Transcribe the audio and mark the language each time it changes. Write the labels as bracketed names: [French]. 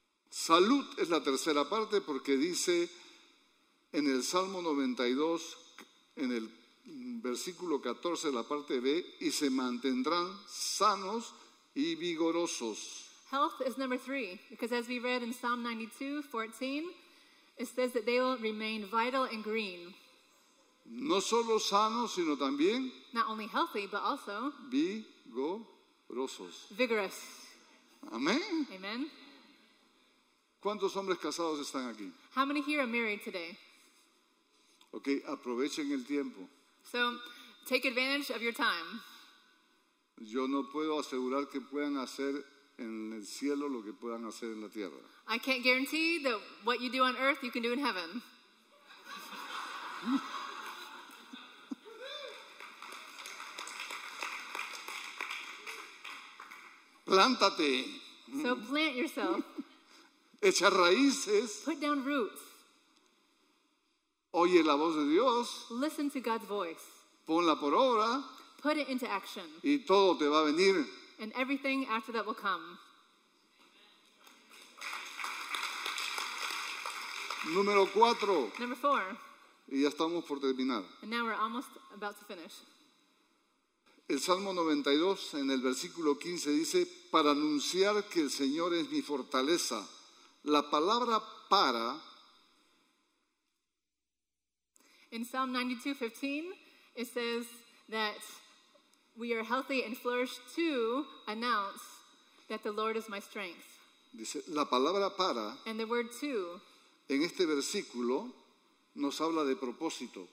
[Spanish] Salud es la tercera parte porque dice en el Salmo 92, en el versículo 14, la parte B, y se mantendrán sanos y vigorosos. [English] Health is number three, because as we read in Psalm 92:14, it says that they will remain vital and green. [Spanish] No solo sanos, sino también [English] not only healthy, but also [Spanish] vigorosos. [English] Vigorous. [Spanish] Amén. [English] Amen. [Spanish] ¿Cuántos hombres casados están aquí? [English] How many here are married today? [Spanish] Okay, aprovechen el tiempo. [English] So, take advantage of your time. [Spanish] Yo no puedo asegurar que puedan hacer en el cielo lo que puedan hacer en la tierra. [English] I can't guarantee that what you do on earth you can do in heaven. [Spanish] Plántate. [English] So plant yourself. [Spanish] Echa raíces. [English] Put down roots. [Spanish] Oye la voz de Dios. [English] Listen to God's voice. [Spanish] Ponla por obra. [English] Put it into action. [Spanish] Y todo te va a venir. [English] And everything after that will come. [Spanish] Número cuatro. [English] Number four. [Spanish] Y ya estamos por terminar. [English] And now we're almost about to finish. [Spanish] El Salmo 92 en el versículo 15 dice, para anunciar que el Señor es mi fortaleza. La palabra para [English] in Psalm 92:15, it says that we are healthy and flourish to announce that the Lord is my strength. [Spanish] Dice, la palabra para [English] and the word to [Spanish] en este versículo nos habla de propósito.